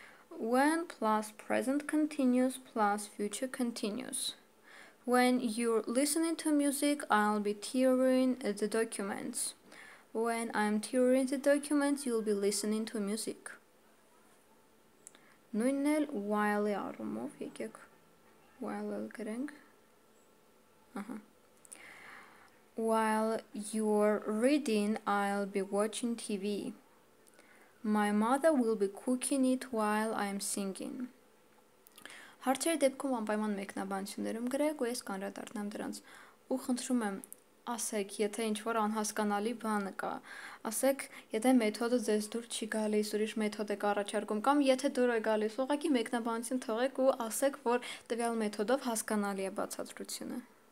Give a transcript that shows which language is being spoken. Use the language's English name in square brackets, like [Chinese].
[English] When plus present continuous plus future continuous. When you're listening to music, I'll be tearing the documents. When I'm tearing the documents, you'll be listening to music. [Armenian] Նույնն էլ while-ի առումով, եկեք while-ը գրենք. [English] Ահա. While you're reading, I'll be watching TV. My mother will be cooking it while I'm singing. [Armenian] Հարցերի դեպքում անպայման մեկնաբանություններում գրեք, ու ես կանրադառնամ դրանց։ Ու խնդրում եմ, ասեք, եթե ինչ-որ անհասկանալի բան կա, ասեք, եթե մեթոդը ձեզ դուր չի գալիս, ուրիշ մեթոդ եք առաջարկում, կամ եթե դուր է գալիս, ուղղակի մեկնաբանություն թողեք ու ասեք, որ տվյալ մեթոդով հասկանալի է բացատրությունը։